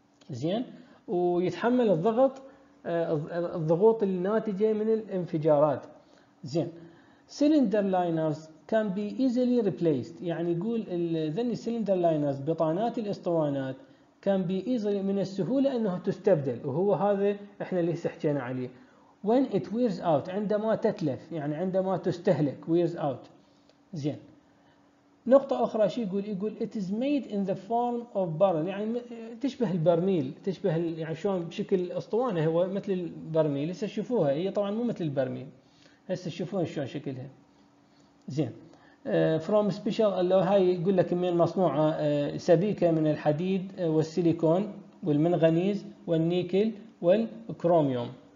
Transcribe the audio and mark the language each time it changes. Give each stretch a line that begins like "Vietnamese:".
Arabic: زين؟ ويتحمل الضغوط الناتجة من الانفجارات.
English: زين، cylinder liners can be easily replaced.
Arabic: يعني يقول ذني cylinder liners بطانات الاسطوانات كان بيزلي من السهولة أنه تستبدل، وهو هذا إحنا اللي سحكينا عليه.
English: when it wears out
Arabic: عندما تتلف، يعني عندما تستهلك wears out. زين، نقطة أخرى شي يقول
English: it is made in the form of barrel
Arabic: يعني تشبه البرميل، تشبه يعني شلون بشكل أسطوانة هو مثل البرميل. هسه شوفوها، هي طبعا مو مثل البرميل، هسه شوفوها شلون شكلها. زين،
English: from special alloy
Arabic: هاي يقول لك من مصنوعة، سبيكة من الحديد والسيليكون والمنغنيز والنيكل والكروميوم.